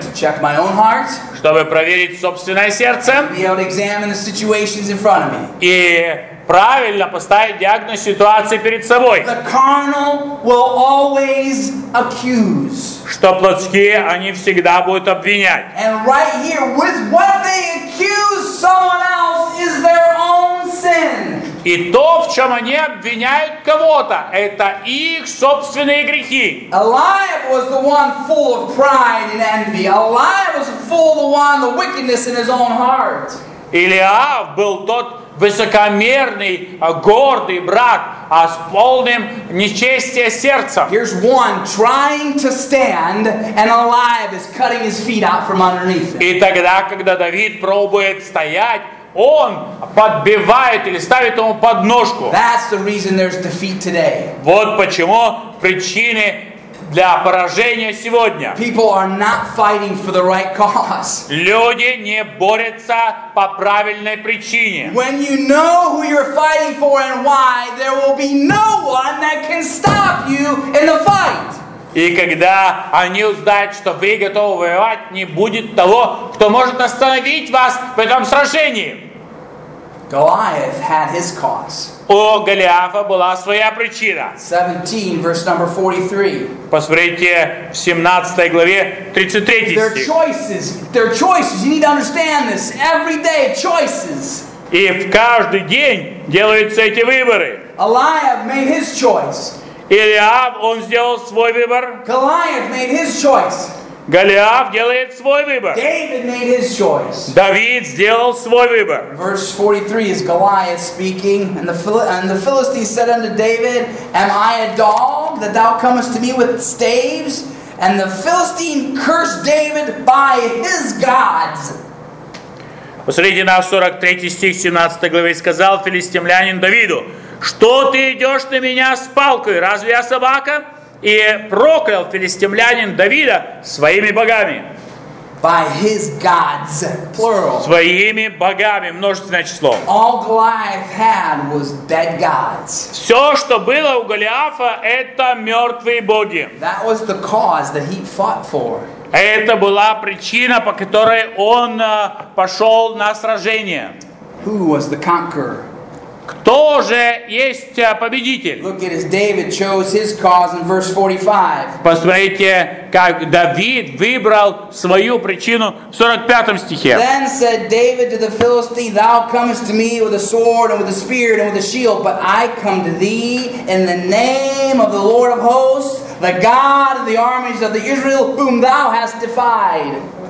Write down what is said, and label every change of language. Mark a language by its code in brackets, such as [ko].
[en] To check my own heart, [ru] чтобы проверить собственное сердце. [en] To be able to examine the situations in front of me. [ru] И правильно поставить диагноз ситуации перед собой. [en] The carnal will always accuse. [ru] Что плотские, они всегда будут обвинять. [en] And right here, with what they accuse someone else is their own sin. [ru] И то, в чем они обвиняют кого-то, это их собственные грехи. [en] Eliab was the one full of pride and envy. Eliab was full of the one, the wickedness in his own heart. [ru] Илиав был тот высокомерный, гордый брат, а с полным нечестия сердца. [en] Here's one trying to stand, and Eliab is cutting his feet out from underneath him. [ru] И тогда, когда Давид пробует стоять, он подбивает или ставит ему подножку. [en] That's the reason there's defeat today. [ru] Вот почему причины для поражения сегодня. [en] People are not fighting for the right cause. [ru] Люди не борются по правильной причине. [en] When you know who you're fighting for and why, there will be no one that can stop you in the fight. [ru] И когда они узнают, что вы готовы воевать, не будет того, кто может остановить вас в этом сражении. [en] Goliath had his cause. [ru] У Голиафа была своя причина. [en] 17, verse number 43. [ru] Посмотрите в 17 главе 33 стих. [en] Their choices. You need to understand this. Every day, choices. [ru] И в каждый день делаются эти выборы. [en] Eliab made his choice. [ru] Илиав, он сделал свой выбор. [en] Goliath made his choice. [ru] Голиаф делает свой выбор. [en] David made his choice. [ru] Давид сделал свой выбор. [en] Verse 43 is Goliath speaking, and the Philistine said unto David, am I a dog that thou comest to me with staves? And the Philistine cursed David by his gods. [ru] Посмотрите на 43 стих 17 главы. Сказал филистимлянин Давиду, что ты идешь на меня с палкой? Разве я собака? И проклял филистимлянин Давида своими богами. [en] By his gods, plural. [ru] Своими богами, множественное число. [en] All Goliath had was dead gods. [ru] Все, что было у Голиафа, это мертвые боги. [en] That was the cause that he fought for. [ru] Это была причина, по которой он пошел на сражение. [en] Who was the conqueror? [ru] Кто же есть победитель? [en] Look at as David chose his cause in verse 45. [ru] Посмотрите, как Давид выбрал свою причину в 45 стихе. [en] Then said David to the Philistine, Thou comest to me with a sword and with a spear and with a shield, but I come to thee in the name of the Lord of hosts, the God of the armies of the Israel, whom thou hast defied.